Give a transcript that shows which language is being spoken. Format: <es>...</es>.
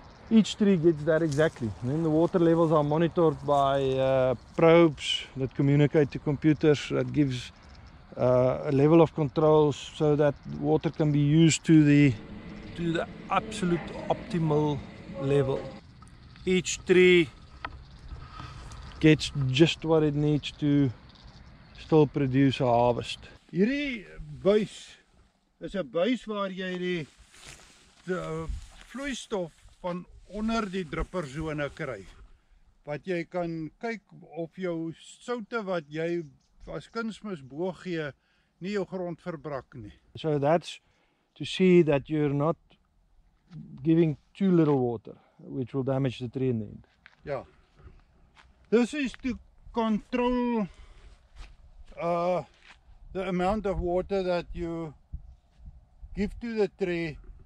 <en>Each tree gets that exactly. And then the water levels are monitored by probes that communicate to computers, that gives a level of controls so that water can be used to the absolute optimal level. Each tree gets just what it needs to still produce a harvest.</en> <af>Hierdie buis is 'n buis waar jy die vloeistof van onder die druppersone kry. Wat jy kan kyk of jou soutte wat jy as kunsmis bo gee nie jou grond verbrak nie.</af> <en>So that's to see that you're not giving too little water, which will damage the tree in the end.</en> <af>Ja.</af> <en>This is to control the amount of water that you give to the tree.</en>